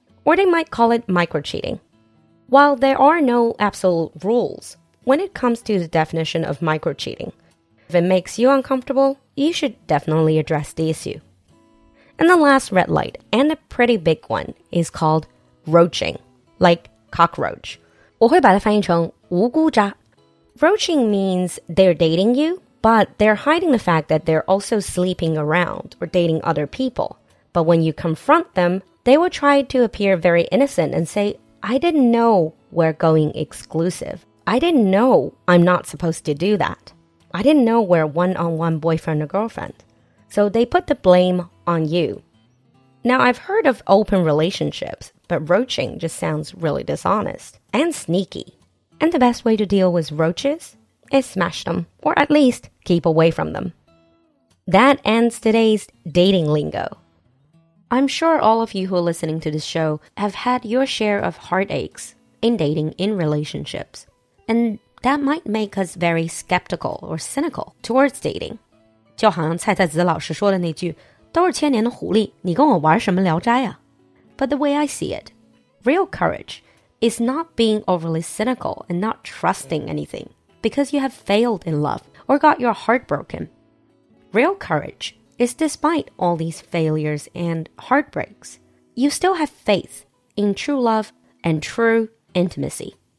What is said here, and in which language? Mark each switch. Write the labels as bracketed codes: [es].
[en] Or they might call it micro-cheating. While there are no absolute rules, when it comes to the definition of micro-cheating, if it makes you uncomfortable, you should definitely address the issue. And the last red light, and a pretty big one, is called roaching, like cockroach. [zh] 我会把它翻译成无辜渣。 [en] Roaching means they're dating you, but they're hiding the fact that they're also sleeping around or dating other people. But when you confront them, they will try to appear very innocent and say, I didn't know we're going exclusive. I didn't know I'm not supposed to do that. I didn't know we're one-on-one boyfriend or girlfriend. So they put the blame on you. Now, I've heard of open relationships, but roaching just sounds really dishonest and sneaky. And the best way to deal with roaches is smash them, or at least keep away from them. That ends today's dating lingo. I'm sure all of you who are listening to this show have had your share of heartaches in dating in relationships. And that might make us very skeptical or cynical towards dating. [zh] 就好像蔡蔡子老师说的那句，都是千年的狐狸，你跟我玩什么聊斋啊？ [en] But the way I see it, real courage is not being overly cynical and not trusting anything because you have failed in love or got your heart broken. Real courage is despite all these failures and heartbreaks, you still have faith in true love and true intimacy.